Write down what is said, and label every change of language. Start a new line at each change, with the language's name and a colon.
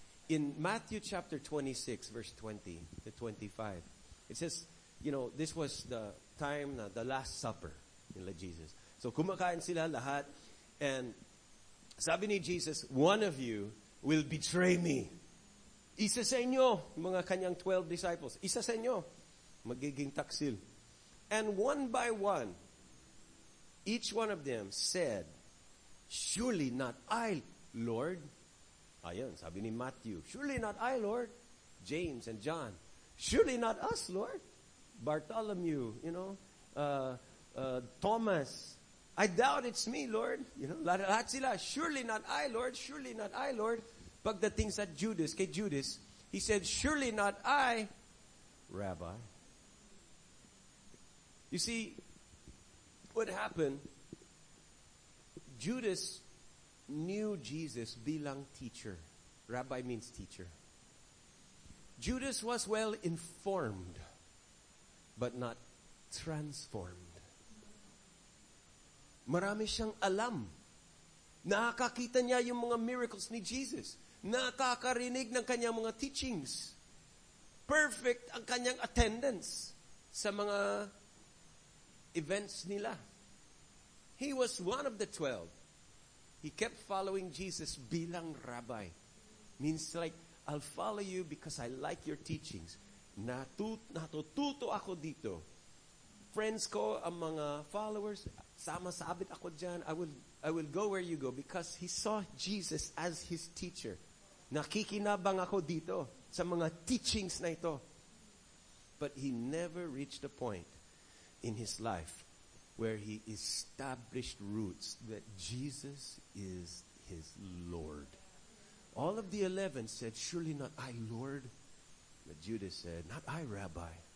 English: In Matthew chapter 26, verse 20 to 25, it says, you know, this was the time na the Last Supper nila Jesus.
Filipino: So, kumakain sila lahat. And, sabi ni Jesus,
English: one of you will betray me.
Filipino: Isa sa inyo, mga kanyang 12 disciples, isa sa inyo, magiging taksil.
English: And one by one, each one of them said, surely not I, Lord.
Filipino: Ayun, sabi ni Matthew,
English: surely not I, Lord. James and John, surely not us, Lord. Bartholomew, you know, Thomas, I doubt it's me, Lord. You know,
Filipino: lahat sila,
English: surely not I, Lord. Surely not I, Lord.
Filipino: Pagdating sa Judas, kay Judas,
English: he said, surely not I, Rabbi. You see, what happened, Judas knew Jesus
Filipino: bilang
English: teacher. Rabbi means teacher. Judas was well informed, but not transformed.
Filipino: Marami siyang alam. Nakakita niya yung mga miracles ni Jesus. Nakakarinig ng kanyang mga teachings. Perfect ang kanyang attendance sa mga events nila.
English: He was one of the 12. He kept following Jesus
Filipino: bilang
English: rabbi. Means like, I'll follow you because I like your teachings.
Filipino: Natututo ako dito. Friends ko, ang mga followers, sama-sabit ako dyan.
English: I will go where you go because he saw Jesus as his teacher.
Filipino: Nakikinabang ako dito sa mga teachings na ito.
English: But he never reached a point in his life where he established roots that Jesus is his Lord. All of the 11 said, surely not I, Lord. But Judas said, not I, Rabbi.